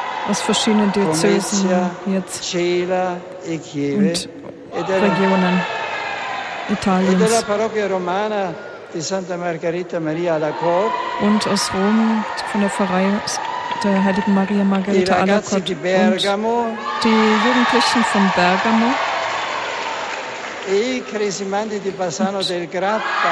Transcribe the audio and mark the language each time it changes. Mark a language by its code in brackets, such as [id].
[de] Aus verschiedenen Diözesen jetzt. [it] Cela e Chieve. [de] Und Regionen Italiens. [it] Della parrocchia romana di Santa Margherita Maria alla Corte. [de] Und aus Rom von der Pfarrei der heiligen Maria Margherita Alacott und die Jugendlichen von Bergamo [it] e i cresimandi di Bassano del Grappa